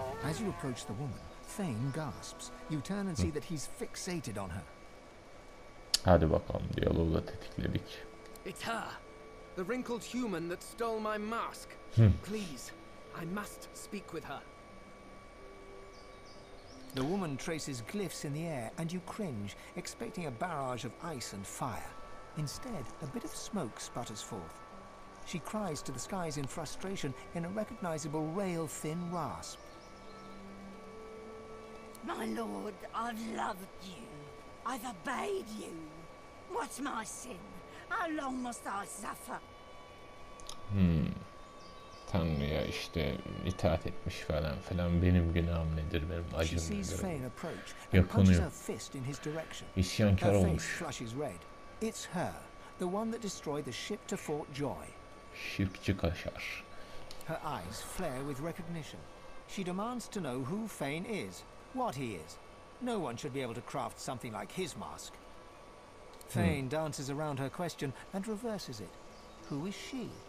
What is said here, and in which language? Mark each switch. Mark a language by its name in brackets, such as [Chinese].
[English] As you approach the woman, Thane gasps. You turn and see that he's fixated on her. [Turkish] Hadi bakalım, diyaloğu da tetikledik. [English] It's her, the wrinkled human that stole my mask. Please, I must speak with her. The woman traces glyphs in the air and you cringe, expecting a barrage of ice and fire. Instead, a bit of smoke sputters forth. She cries to the skies in frustration in a recognizable rail-thin rasp. My lord, I've loved you. I've obeyed you. What's my sin? How long must I suffer? [Turkish] Tanrı'ya işte itaat etmiş falan filan, benim günahım nedir, benim acım nedir? Yakınıyor. İsyankar olmuş. [English] It's her, the one that destroyed the ship to Fort Joy. [Turkish] Şirkçi kaşar. [English] Her eyes flare with recognition. She demands to know who Thane is, what he is. No one should be able to craft something like his mask. Thane dances around her question and reverses it. Who is she?